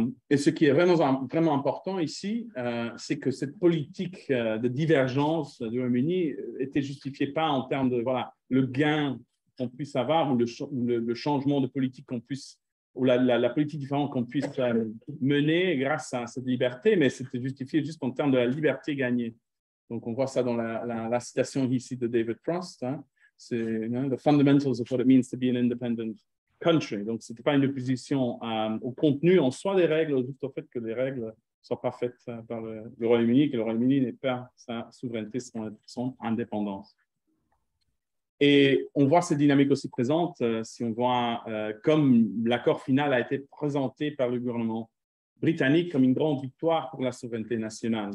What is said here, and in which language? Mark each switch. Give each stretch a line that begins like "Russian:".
French: Et ce qui est vraiment, vraiment important ici, c'est que cette politique de divergence du Royaume-Uni était justifiée pas en termes de voilà, le gain qu'on puisse avoir ou le changement de politique qu'on puisse, ou la politique différente qu'on puisse mener grâce à cette liberté, mais c'était justifié juste en termes de la liberté gagnée. Donc on voit ça dans la citation ici de David Frost, hein. C'est,
English: you know, the fundamentals of what it means to be an independent country.
French: Donc ce n'était pas une opposition au contenu en soi des règles, juste au fait que les règles ne soient pas faites par le Royaume-Uni, que le Royaume-Uni n'ait pas sa souveraineté, son indépendance. Et on voit cette dynamique aussi présente si on voit comme l'accord final a été présenté par le gouvernement britannique comme une grande victoire pour la souveraineté nationale.